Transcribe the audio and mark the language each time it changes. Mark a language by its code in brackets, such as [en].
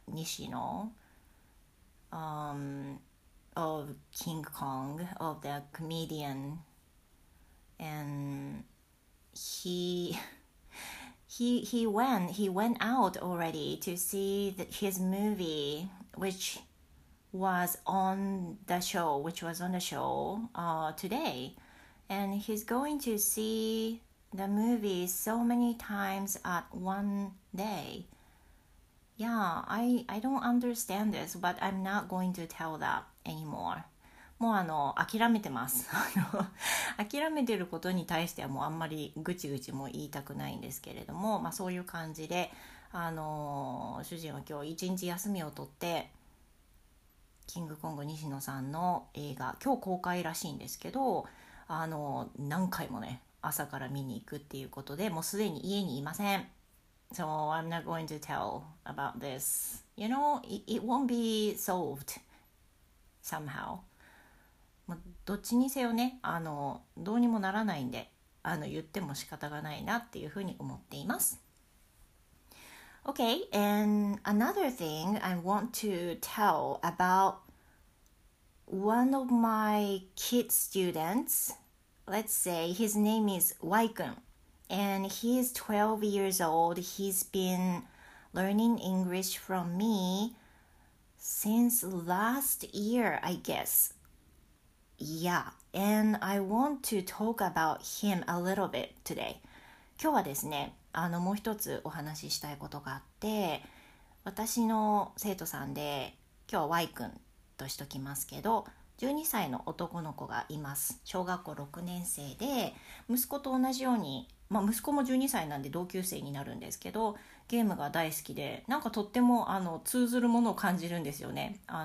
[en] Nishino, of King Kong, of the comedian, and he went out already to see his movie, which was on the show, today, and he's going to see the movie so many times at one day. Yeah, I don't understand this, but I'm not going to tell that anymore. [ja] もう諦めてます。諦めてることに対してはもうあんまりぐちぐちも言いたくないんですけれども、まあそういう感じで、主人は今日一日休みを取って、キングコング西野さんの映画、今日公開らしいんですけど、何回もね、朝から見に行くっていうことで、もうすでに家にいません。 [en] So I'm not going to tell about this. You know, it won't be solved somehow. [ja] どっちにせよね、どうにもならないんで、言っても仕方がないなっていうふうに思っています。 [en] Okay, and another thing I want to tell about one of my kid students. Let's say his name is Waikun. And he is 12 years old. He's been learning English from me since last year, I guess. Yeah, and I want to talk about him a little bit today. [ja] 今日はですね、もう一つお話ししたいことがあって、私の生徒さんで、今日は Y 君としときますけど、12歳の男の子がいます。小学校6年生で、息子と同じように、まあ、息子も12歳なんで同級生になるんですけど、ゲームが大好きで、なんかとっても通ずるものを感じるんですよね。